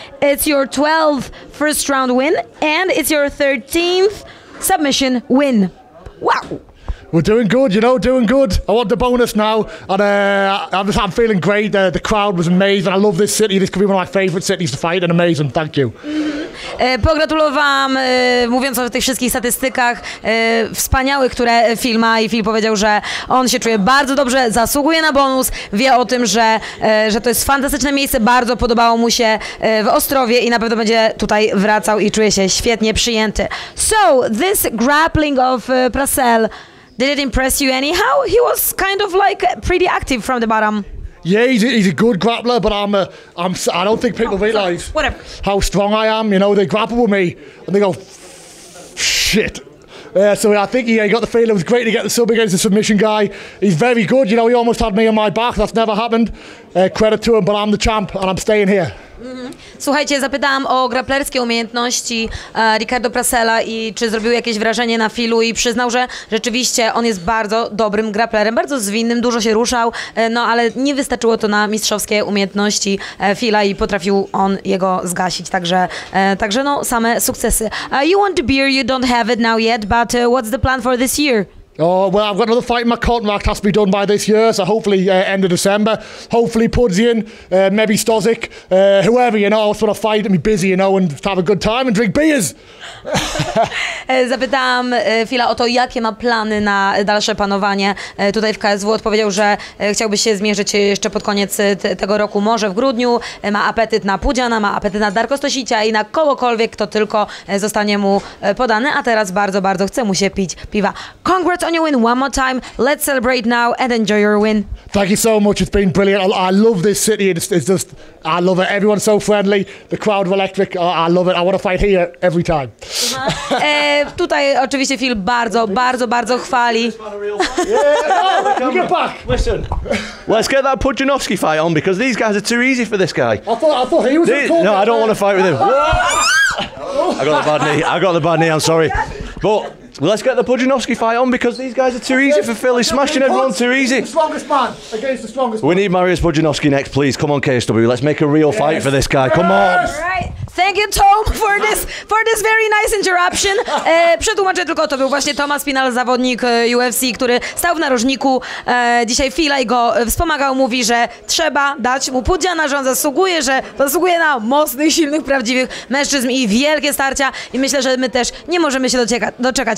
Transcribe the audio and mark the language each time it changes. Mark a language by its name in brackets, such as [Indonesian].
[English] It's your 12th first round win and it's your 13th submission win. Wow. We're doing good, you know, doing good. I want the bonus now, and I'm feeling great. The crowd was amazing. I love this city. This could be one of my favorite cities to fight, and amazing. Thank you. [Polish] Pogratulowałam, mówiąc o tych wszystkich statystykach wspaniałych, które Phil ma i Phil powiedział, że on się czuje bardzo dobrze, zasługuje na bonus, wie o tym, że to jest fantastyczne miejsce, bardzo podobało mu się w Ostrowie i na pewno będzie tutaj wracał i czuje się świetnie przyjęty. [English] So, this grappling of Prasel, did it impress you anyhow? He was kind of like pretty active from the bottom. Yeah, he's a good grappler, but I don't think people realize how strong I am. You know, they grapple with me and they go, shit. So I think he got the feeling it was great to get the sub against the submission guy. He's very good. You know, he almost had me on my back. That's never happened. Credit to him, but I'm the champ and I'm staying here. [Polish] Słuchajcie, zapytałam o graplerskie umiejętności Ricardo Prasela i czy zrobił jakieś wrażenie na Filu i przyznał, że rzeczywiście on jest bardzo dobrym graplerem, bardzo zwinnym, dużo się ruszał, no ale nie wystarczyło to na mistrzowskie umiejętności Fila i potrafił on jego zgasić, także no same sukcesy. [English] You want the beer, you don't have it now yet, but what's the plan for this year? Oh, well, I've got another fight in my contract, has to be done by this year, so hopefully end of December. Hopefully Pudzian, maybe Stozic, whoever, you know, I just want to fight and be busy, you know, and have a good time and drink beers. [Polish] Zapytałam Fila o to, jakie ma plany na dalsze panowanie tutaj w KSW. Odpowiedział, że chciałby się zmierzyć jeszcze pod koniec tego roku, może w grudniu. Ma apetyt na Pudziana, ma apetyt na Darko Stosicia i na kogokolwiek, kto tylko zostanie mu podany, a teraz bardzo, bardzo chce mu się pić piwa. [English] Congrats on your win one more time. Let's celebrate now and enjoy your win. Thank you so much. It's been brilliant. I love this city. It's just, I love it. Everyone's so friendly. The crowd are electric. I love it. I want to fight here every time. [Polish] Tutaj oczywiście Phil bardzo, bardzo, bardzo chwali. [English] Yeah, get back. Listen, let's get that Pudzianowski fight on because these guys are too easy for this guy. I thought he was the cool. No, I don't want to fight with him. I got the bad knee. I'm sorry. But let's get the Pudzianowski fight on because these guys are too easy for Philly. Smashing everyone too easy. The strongest man against the strongest man. We need Marius Pudzianowski next, please. Come on, KSW. Let's make a real fight for this guy. Come on. All right. Thank you, Tom, for this very nice interruption. [Polish] Przetłumaczę tylko, to był właśnie Thomas Pinal, zawodnik UFC, który stał w narożniku dzisiaj Phila i go wspomagał. Mówi, że trzeba dać mu Pudziana, że on zasługuje na mocnych, silnych, prawdziwych mężczyzn i wielkie starcia. I myślę, że my też nie możemy się doczekać.